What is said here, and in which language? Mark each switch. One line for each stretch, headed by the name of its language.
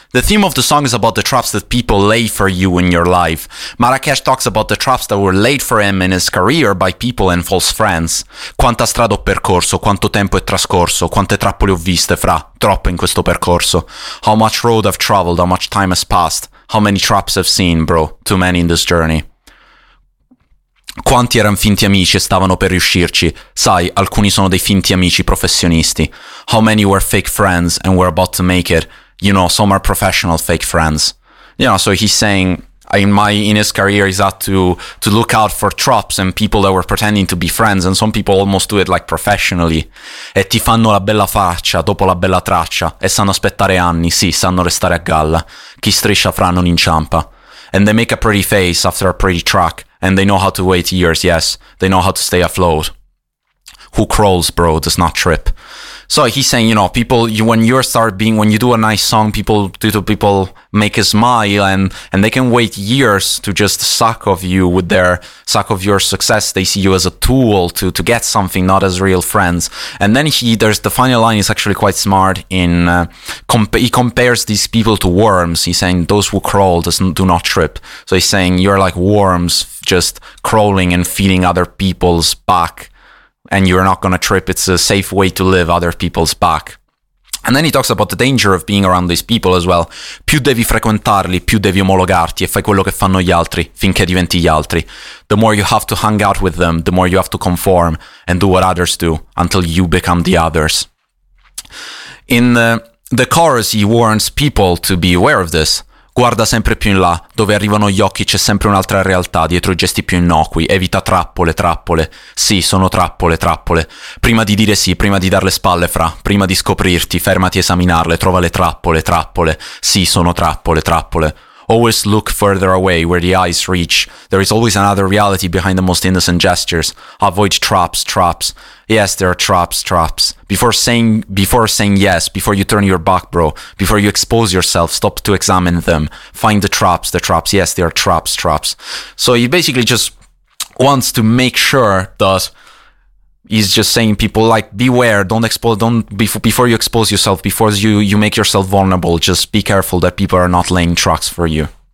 English: The theme of the song is about the traps that people lay for you in your life. Marracash talks about the traps that were laid for him in his career by people and false friends.
Italian: Quanta strada ho percorso, quanto tempo è trascorso, quante trappole ho viste fra, troppo in questo percorso.
English: How much road I've traveled, how much time has passed, how many traps I've seen, bro, too many in this journey.
Italian: Quanti erano finti amici e stavano per riuscirci? Sai, alcuni sono dei finti amici professionisti.
English: How many were fake friends and were about to make it? You know, some are professional fake friends. You know, so he's saying, in his career, he's had to look out for traps and people that were pretending to be friends, and some people almost do it like professionally.
Italian: E ti fanno la bella faccia dopo la bella traccia e sanno aspettare anni, sì, sanno restare a galla. Chi striscia fra non inciampa.
English: And they make a pretty face after a pretty track. And they know how to wait years, yes. They know how to stay afloat. Who crawls, bro, does not trip. So he's saying, you know, people, you, when you start being, when you do a nice song, people make a smile and they can wait years to just suck of your success. They see you as a tool to get something, not as real friends. And then there's the final line is actually quite smart in, he compares these people to worms. He's saying those who crawl do not trip. So he's saying you're like worms just crawling and feeding other people's back. And you're not gonna trip, it's a safe way to live other people's back. And then he talks about the danger of being around these people as well.
Italian: Più devi frequentarli, più devi omologarti e fai quello che fanno gli altri, finché diventi gli altri.
English: The more you have to hang out with them, the more you have to conform and do what others do, until you become the others. In the chorus, he warns people to be aware of this.
Italian: Guarda sempre più in là, dove arrivano gli occhi c'è sempre un'altra realtà, dietro i gesti più innocui, evita trappole, trappole, sì, sono trappole, trappole, prima di dire sì, prima di dar le spalle, fra, prima di scoprirti, fermati a esaminarle, trova le trappole, trappole, sì, sono trappole, trappole.
English: Always look further away where the eyes reach. There is always another reality behind the most innocent gestures. Avoid traps, traps. Yes, there are traps, traps. Before saying yes, before you turn your back, bro, before you expose yourself, stop to examine them. Find the traps, yes, there are traps, traps. So he basically just wants to make sure that he's just saying people like, beware, don't expose, don't, before you expose yourself, before you make yourself vulnerable, just be careful that people are not laying traps for you.